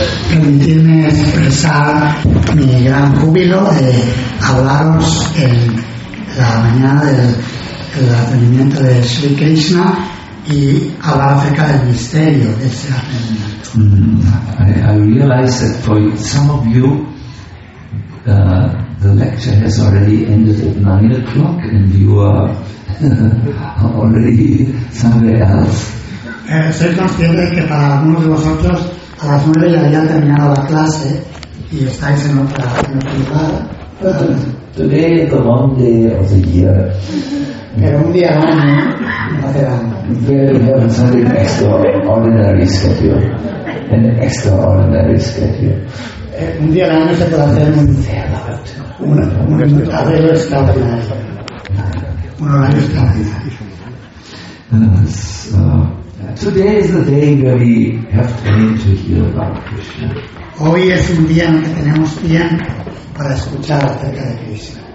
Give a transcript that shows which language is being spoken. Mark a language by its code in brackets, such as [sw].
[es] Permitirme expresar mi gran júbilo de hablaros en la mañana del advenimiento de Sri Krishna y hablar acerca del misterio de ese advenimiento. [en] I realize that for some of you, the lecture has already ended at 9 o'clock and you are already somewhere else. [es] Soy consciente que para algunos de vosotros a las 9 ya habían terminado la clase y estáis en otra lugar. [en] Today is the long day of the year. [es] Pero un día más, ¿no? [en] Very have something extraordinary schedule. An extraordinary schedule. [es] Un día al año se puede hacer un arreglo extraordinario. Un horario extraordinario. [en] Today is the day where we have time to hear about Krishna. [es] Hoy es un día en que tenemos tiempo para escuchar acerca de Krishna.